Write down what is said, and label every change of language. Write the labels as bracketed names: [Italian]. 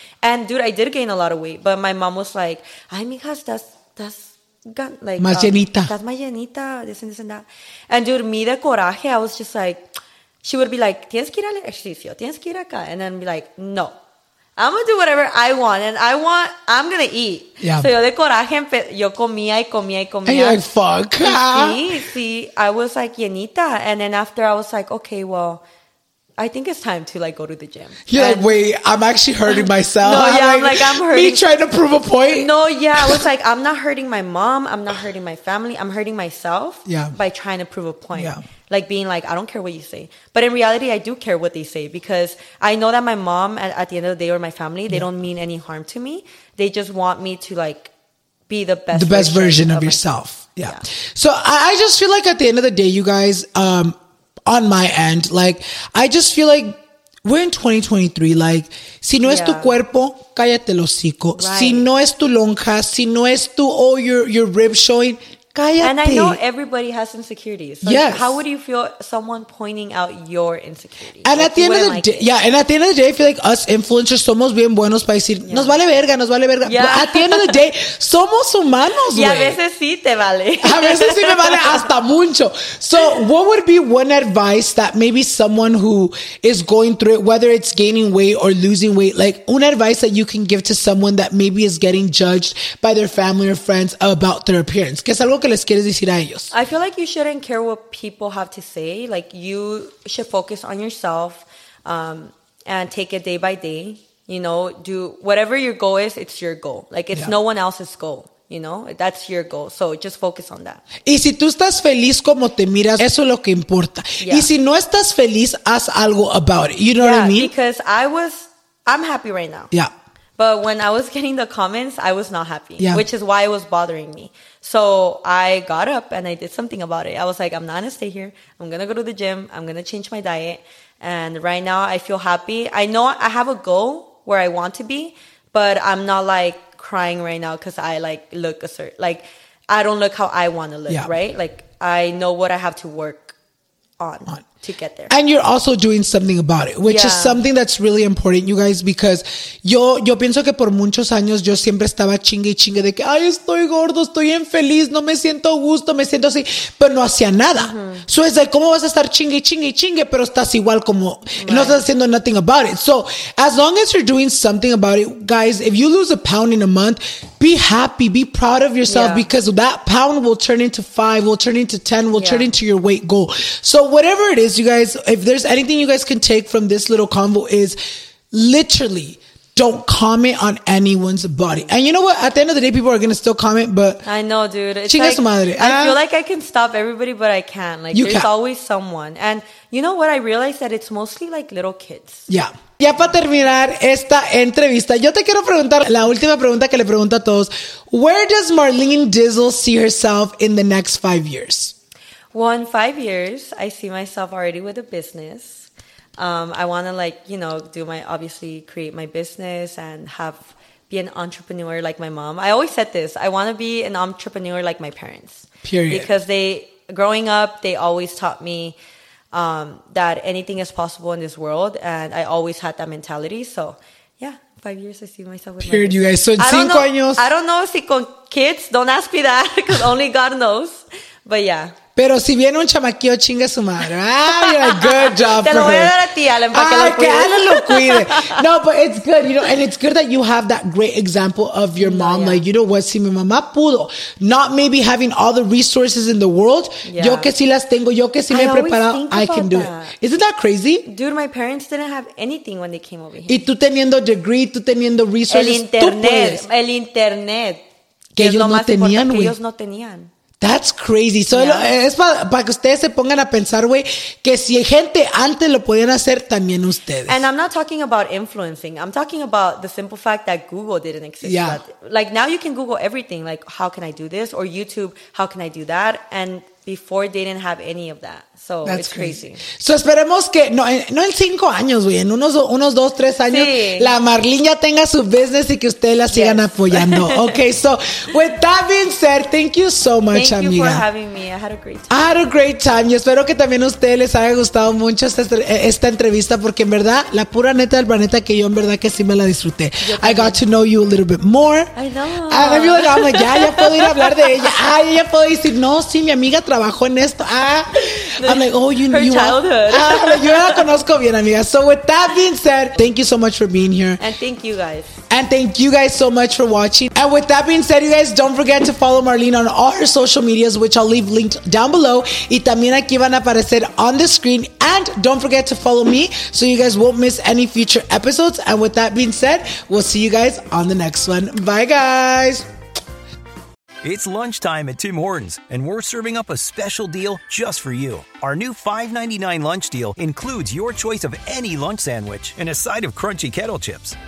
[English] And dude, I did gain a lot of weight, but my mom was like, [Spanish] ay, mijas, [English] that's. [Spanish] Más llenita. [English] That's my llenita, this and this and that. And dude, [Spanish] me de coraje, [English] I was just like, she would be like, [Spanish] tienes que ir al ejercicio, tienes que ir acá. [English] And then be like, no, I'm going to do whatever I want. And I'm going to eat. Yeah. [Spanish] So yo de coraje, yo comía y comía y comía. [English] And you're like, fuck. Sí, I was like, llenita. And then after I was like, okay, well, I think it's time to like go to the gym. You're like, wait, I'm actually hurting myself. No, yeah, I'm like, I'm hurting. Me trying to prove a point. No, yeah, I was like, I'm not hurting my mom. I'm not hurting my family. I'm hurting myself by trying to prove a point. Yeah. Like being like, I don't care what you say. But in reality, I do care what they say because I know that my mom at the end of the day or my family, they don't mean any harm to me. They just want me to like be the best version of yourself. Yeah. So I just feel like at the end of the day, you guys, on my end, like, I just feel like we're in 2023. [Spanish] Like, si no es tu cuerpo, cállate el hocico. [English] Right. [Spanish] Si no es tu lonja, si no es tu, [English] your rib showing, [Spanish] cállate. [English] And I know everybody has insecurities. So yes. How would you feel someone pointing out your insecurities? And like, at the end of the day, and at the end of the day, I feel like us influencers [Spanish] somos bien buenos para decir, nos vale verga, [English] nos vale verga. Yeah. But at the end of the day, [Spanish] somos humanos, y a veces sí te vale. A veces sí me vale hasta mucho. [English] So what would be one advice that maybe someone who is going through it, whether it's gaining weight or losing weight, like un advice that you can give to someone that maybe is getting judged by their family or friends about their appearance? [Spanish] Algo que les quieres decir a ellos. [English] I feel like you shouldn't care what people have to say. Like, you should focus on yourself and take it day by day. You know, do whatever your goal is, it's your goal. Like, it's no one else's goal. You know, that's your goal. So just focus on that. [Spanish] Y si tú estás feliz como te miras, eso es lo que importa. [English] Yeah. [Spanish] Y si no estás feliz, haz algo [English] about it. You know what I mean? Because I'm happy right now. Yeah. But when I was getting the comments, I was not happy, which is why it was bothering me. So I got up and I did something about it. I was like, I'm not going to stay here. I'm going to go to the gym. I'm going to change my diet. And right now I feel happy. I know I have a goal where I want to be, but I'm not like crying right now because I like look a certain, like I don't look how I want to look, right? Like I know what I have to work on. to get there. And you're also doing something about it, which is something that's really important, you guys, because [Spanish] yo pienso que por muchos años yo siempre estaba chingue y chingue de que, ay, estoy gordo, estoy infeliz, no me siento a gusto, me siento así, pero no hacía nada. [English] Uh-huh. So it's like, [Spanish] ¿cómo vas a estar chingue y chingue y chingue, pero estás igual como, no estás haciendo [English] nothing about it? So as long as you're doing something about it, guys, if you lose a pound in a month, be happy, be proud of yourself, because that pound will turn into 5, will turn into 10, will turn into your weight goal. So whatever it is, you guys, if there's anything you guys can take from this little convo, is literally don't comment on anyone's body. And you know what? At the end of the day, people are going to still comment, but I know, dude. It's chinga like, [Spanish] su madre. [English] I feel like I can stop everybody, but I can't. Like, you there's always someone. And you know what? I realized that it's mostly like little kids. Yeah. [Spanish] Ya para terminar esta entrevista, yo te quiero preguntar la última pregunta que le pregunto a todos. [English] Where does Marlene Dizzle see herself in the next 5 years? Well, in 5 years, I see myself already with a business. I want to, like, you know, do my, obviously create my business and be an entrepreneur like my mom. I always said this. I want to be an entrepreneur like my parents. Period. Because they, growing up, they always taught me that anything is possible in this world. And I always had that mentality. So, yeah. 5 years, I see myself with period, my you guys. So, in 5 años. I don't know si con kids. Don't ask me that. Because only God knows. But, yeah. [Spanish] Pero si viene un chamaquillo, chinga su madre. [English] Ah, you're a good job. [Spanish] Te lo voy a dar a ti, Alan, para que lo cuide. [English] No, but it's good, you know, and it's good that you have that great example of your mom. Yeah. Like, you know what, [Spanish] si mi mamá pudo, [English] not maybe having all the resources in the world, [Spanish] yo que si las tengo, yo que si me he preparado, [English] I can do it. Isn't that crazy? Dude, my parents didn't have anything when they came over here. [Spanish] Y tú teniendo degree, tú teniendo resources, El internet. Que ellos no tenían, güey. [English] That's crazy. [Spanish] So es para que ustedes se pongan a pensar, güey, que si gente antes lo podían hacer, también ustedes. [English] And I'm not talking about influencing. I'm talking about the simple fact that Google didn't exist. Yeah. Like, now you can Google everything. Like, how can I do this? Or YouTube, how can I do that? And before, they didn't have any of that. So that's it's crazy. [Spanish] So esperemos que, no en 5 años, güey, en unos 2-3 años, sí, la Marlene ya tenga su business y que ustedes la sigan apoyando. [English] Okay, so with that being said, thank you so much, thank [Spanish] amiga. [English] Thank you for having me. I had a great time. [Spanish] Y espero que también a ustedes les haya gustado mucho esta entrevista, porque en verdad, la pura neta del planeta, que yo en verdad que sí me la disfruté. [English] I got to know you a little bit more. I know. And I'm like, [Spanish] ya puedo ir a hablar de ella. Ay, ya puedo decir, no, sí, mi amiga trabajó en esto. [English] I'm like, oh, you knew her childhood. [Spanish] Yo la conozco bien, amiga. [English] So with that being said, thank you so much for being here. And thank you guys. And thank you guys so much for watching. And with that being said, you guys, don't forget to follow Marlene on all her social medias, which I'll leave linked down below. [Spanish] Y también aquí van a aparecer [English] on the screen. And don't forget to follow me so you guys won't miss any future episodes. And with that being said, we'll see you guys on the next one. Bye, guys. It's lunchtime at Tim Hortons, and we're serving up a special deal just for you. Our new $5.99 lunch deal includes your choice of any lunch sandwich and a side of crunchy kettle chips.